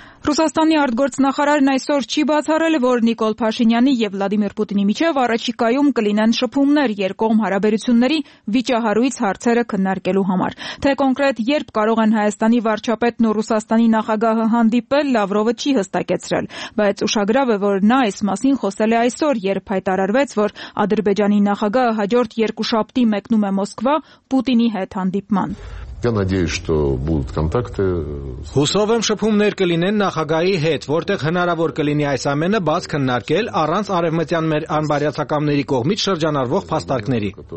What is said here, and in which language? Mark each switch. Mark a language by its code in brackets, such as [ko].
[hy] Ռուսաստանի արտգործնախարարն այսօր չի բացառել, որ Նիկոլ Փաշինյանի եւ Վլադիմիր Պուտինի միջև առաջիկայում կլինեն շփումներ երկկողմ հարաբերությունների վիճահարույց հարցերը քննարկելու համար։ Թե կոնկրետ երբ կարող են Հայաստանի վարչապետն ու Ռուսաստանի նախագահը հանդիպել, Լավրովը չի հստակեցրել, բայց ուշագրավ է, որ նա այս մասին խոսել է այսօր, երբ հայտարարվեց, որ Ադրբեջանի նախագահը հաջորդ 2 շաբթի մեկնում է Մոսկվա Պուտինի հետ հանդիպման։ [ru] Я надеюсь, что будут контакты. [hy] Հուսով եմ շփումներ կլինեն նախագահի հետ, որտեղ հնարավոր կլինի այս ամենը բաց քննարկել առանց արևմտյան մեր անբարյացակամների կողմից շրջանառվող փաստարկների։